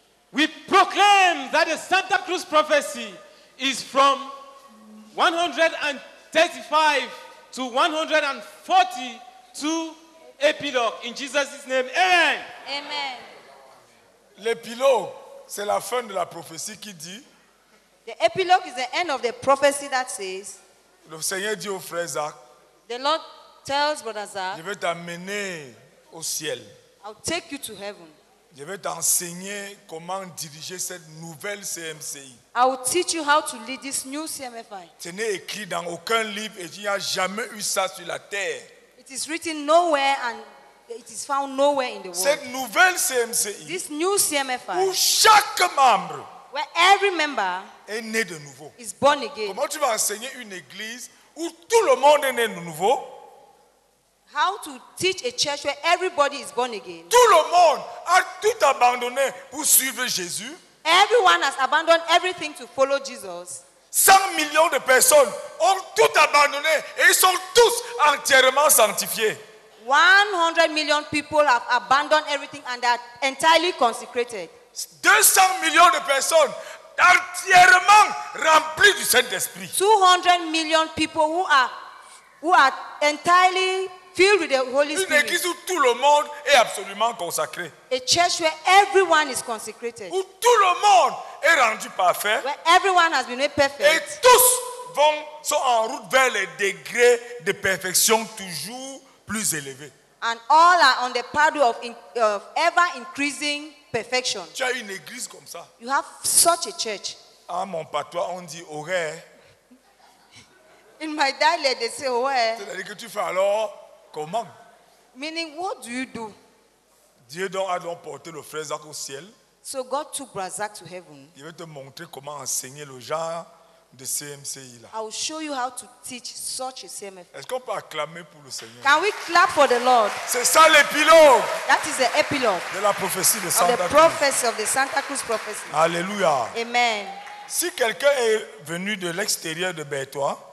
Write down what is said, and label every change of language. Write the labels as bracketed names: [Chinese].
[English] We proclaim that the Santa Cruz prophecy is from 135 to 142 épilogue. In Jesus' name, amen. Amen. [French] L'épilogue, c'est la fin de la prophétie qui dit. [English] The epilogue is the end of the prophecy that says. [French] Le Seigneur dit au frère Zach. [English] The Lord tells Brother Zach. [French] Je vais t'amener au ciel. [English] I'll take you to heaven. [French] Je vais t'enseigner comment diriger cette nouvelle CMCI. [English] I will teach you how to lead this new CMFI. [French] Ce n'est écrit dans aucun livre et il n'y a jamais eu ça sur la terre. [English] It is written nowhere and it is found nowhere in the world. [French] Cette nouvelle CMCI. [English] This new CMFI. [French] Où chaque membre. [English] Where every member. [French] Est né de nouveau. [English] Is born again. [French] Comment tu vas enseigner une église où tout le monde est né de nouveau? [English] How to teach a church where everybody is born again? [French] Tout le monde a tout abandonné pour suivre Jésus. [English] Everyone has abandoned everything to follow Jesus. [French] 100 millions de personnes ont tout abandonné et ils sont tous entièrement sanctifiés. [English] 100 million people have abandoned everything and are entirely consecrated. [French] 200 millions de personnes entièrement remplies du Saint-Esprit. [English] 200 million people who are entirely filled with the Holy Spirit. [French] Une église où tout le monde est absolument consacré. [English] A church where everyone is consecrated. [French] Où tout le monde est rendu parfait. [English] Where everyone has been made perfect. [French] Et tous sont en route vers les degrés de perfection toujours plus élevés. [English] And all are on the path of ever increasing perfection. [French] Tu as une église comme ça. [English] You have such a church. [French] Ah mon patois, on dit horaire. [English] In my dialect, they say horaire. [French] C'est-à-dire que tu fais alors. Comment? [English] Meaning, what do you do? [French] Dieu donc a donc porté le frère Zach au ciel. [English] So God took Brother Zach to heaven. [French] Il va te montrer comment enseigner le genre de CMCI là. [English] I will show you how to teach such a CMFI. [French] Est-ce qu'on peut acclamer pour le Seigneur? [English] Can we clap for the Lord? [French] C'est ça l'épilogue. [English] That is the epilogue. [French] De la prophétie de Santa [English] Cruz. The prophecy of the Santa Cruz prophecy. [French] Alléluia. Amen. Si quelqu'un est venu de l'extérieur de Bétois.